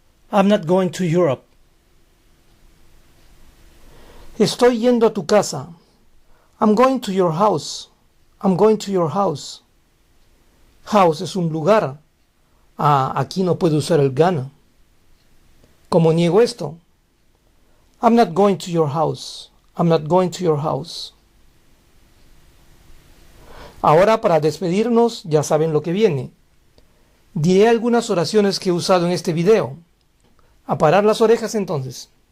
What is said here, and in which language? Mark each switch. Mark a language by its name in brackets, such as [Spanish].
[English] I'm not going to Europe. [Spanish] Estoy yendo a tu casa. [English] I'm going to your house. I'm going to your house. [Spanish] House es un lugar. Ah, aquí no puedo usar el gana. ¿Cómo niego esto? [English] I'm not going to your house. I'm not going to your house. [Spanish] Ahora, para despedirnos, ya saben lo que viene. Diré algunas oraciones que he usado en este video. A parar las orejas entonces.